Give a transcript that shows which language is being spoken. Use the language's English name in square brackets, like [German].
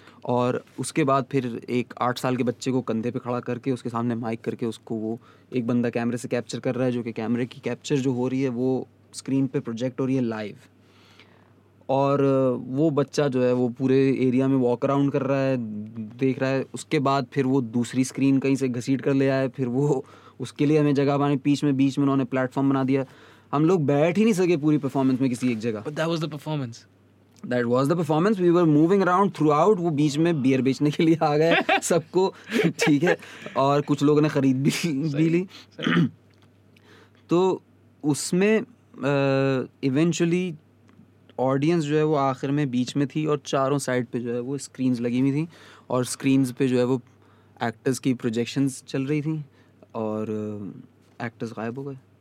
[Urdu] اور اس کے بعد پھر ایک 8 سال کے بچے کو کندھے پہ کھڑا کر کے اس کے سامنے مائک کر کے اس کو, وہ ایک بندہ کیمرے سے کیپچر کر رہا ہے, جو کہ کیمرے کی کیپچر جو ہو رہی ہے وہ اسکرین پہ پروجیکٹ ہو رہی ہے لائیو. اور وہ بچہ جو ہے وہ پورے ایریا میں واک اراؤنڈ کر رہا ہے, دیکھ رہا ہے. اس کے بعد پھر وہ دوسری اسکرین کہیں سے گھسیٹ کر لے آئے, پھر وہ اس کے لیے ہمیں جگہ بنائی بیچ میں انہوں نے پلیٹ فارم بنا دیا. ہم لوگ بیٹھ ہی نہیں سکے پوری پرفارمنس میں کسی ایک جگہ. [English] But that was the performance. That was the performance. We were moving around throughout. [Urdu] وہ بیچ میں بیئر بیچنے کے لیے آ گئے سب کو, ٹھیک ہے, اور کچھ لوگوں نے خرید بھی لی. تو اس میں ایونچولی آڈینس جو ہے وہ آخر میں بیچ میں تھی, اور چاروں سائڈ پہ جو ہے وہ اسکرینز لگی ہوئی تھیں, اور اسکرینز پہ جو ہے وہ ایکٹرز کی پروجیکشنز چل رہی تھیں, اور ایکٹرز غائب ہو گئے.